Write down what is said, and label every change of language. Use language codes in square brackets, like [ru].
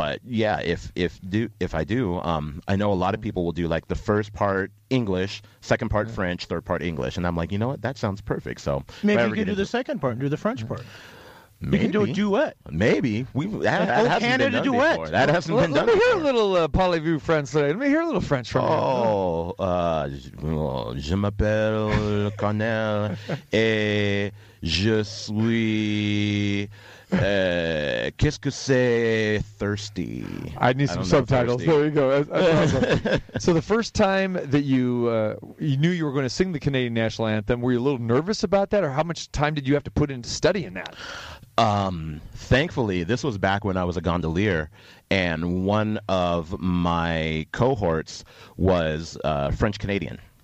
[en] But if I do, I know a lot of people will do like the first part English, second part French, third part English, and I'm like, you know what, that sounds perfect. So maybe you can do the second part and do the French part. Maybe. You can do a duet. Maybe. That hasn't been done before. Let me hear a little Polyvue French today. Let me hear a little French from you. [fr] Oh, je m'appelle Carnell et je suis, qu'est-ce que c'est [en] thirsty? I need some subtitles. There you go. So the first time that you knew you were going to sing the Canadian national anthem, were you a little nervous about that, or how much time did you have to put into studying that? Thankfully, this was back when I was a gondolier, and one of my cohorts was French-Canadian.